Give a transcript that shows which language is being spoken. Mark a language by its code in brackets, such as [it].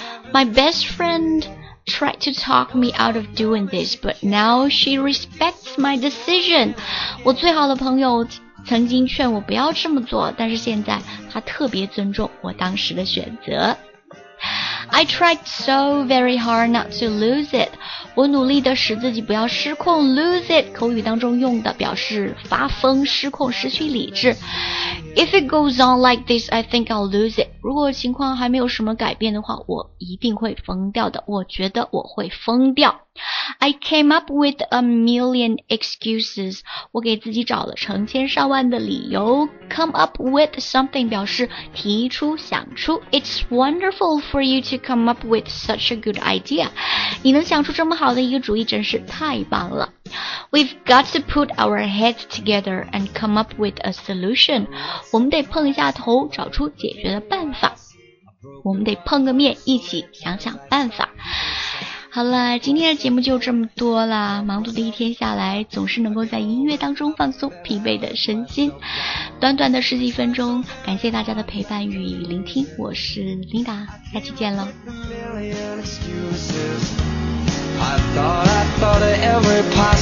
[en] My best friend tried to talk me out of doing this, but now she respects my decision. [zh] 我最好的朋友曾经劝我不要这么做，但是现在她特别尊重我当时的选择。 [en] I tried so very hard not to lose it. [zh] 我努力的使自己不要失控。 [en] Lose it, [zh] 口语当中用的表示发疯、失控、失去理智。 [en] If it goes on like this, I think I'll lose it. [zh] 如果情况还没有什么改变的话，我一定会疯掉的。我觉得我会疯掉。 [en] I came up with a million excuses. [zh] 我给自己找了成千上万的理由。 Come up with something 表示提出、想出。 [en] It's wonderful for you to come up with such a good idea. [zh] 你能想出这么好的一个主意真是太棒了。 [en] We've got to put our heads together and come up with a solution. [zh] 我们得碰一下头，找出解决的办法。我们得碰个面，一起想想办法。好了，今天的节目就这么多了。忙碌的一天下来，总是能够在音乐当中放松疲惫的身心。短短的十几分钟，感谢大家的陪伴与聆听，我是琳达，下期见喽。